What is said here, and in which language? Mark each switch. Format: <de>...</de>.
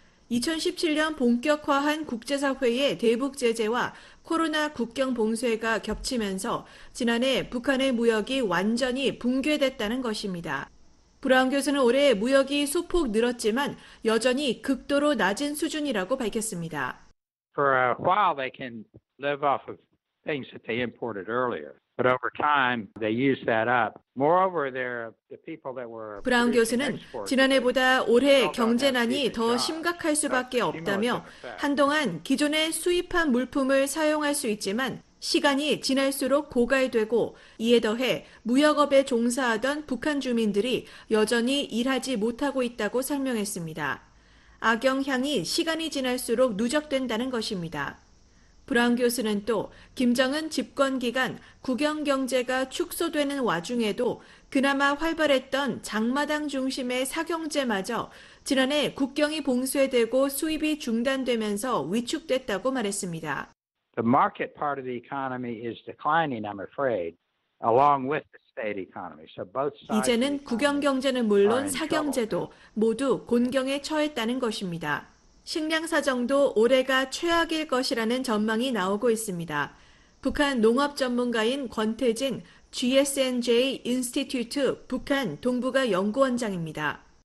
<ko>2017년 본격화한 국제사회의 대북 제재와 코로나 국경 봉쇄가 겹치면서 지난해 북한의 무역이 완전히 붕괴됐다는 것입니다. 브라운 교수는 올해 무역이 소폭 늘었지만 여전히 극도로 낮은 수준이라고 밝혔습니다.</ko> <en>For a while they can live off of things that they imported earlier. But over time, they use that up. Moreover, they're the people that were.</en> <ko>브라운 교수는 지난해보다 올해 경제난이 더 심각할 수밖에 없다며 한동안 기존에 수입한 물품을 사용할 수 있지만 시간이 지날수록 고갈되고 이에 더해 무역업에 종사하던 북한 주민들이 여전히 일하지 못하고 있다고 설명했습니다. 악영향이 시간이 지날수록 누적된다는 것입니다. 브라운 교수는 또 김정은 집권 기간 국영 경제가 축소되는 와중에도 그나마 활발했던 장마당 중심의 사경제마저 지난해 국경이 봉쇄되고 수입이 중단되면서 위축됐다고 말했습니다.</ko> <en>The market part of the economy is declining, I'm afraid, along with the state economy. So both sides.</en> <ko>이제는 국영 경제는 물론 사경제도 모두 곤경에 처했다는 것입니다. 식량 사정도 올해가 최악일 것이라는 전망이 나오고 있습니다. 북한 농업 전문가인 권태진 GSNJ 인스티튜트 북한 동북아 연구원장입니다.</ko>